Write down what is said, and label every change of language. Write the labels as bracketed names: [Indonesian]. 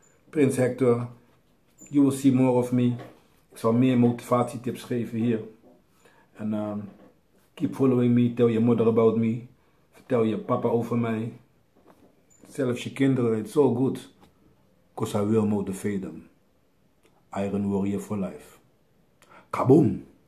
[English] Prins Hector, you will see more of me. [Dutch] Ik zal meer motivatietips geven hier. [English] En keep following me, tell your mother about me. [Dutch] Vertel je papa over mij. Zelfs je kinderen, [English] it's all good. Because I will motivate them. Iron Warrior for life. Kaboom!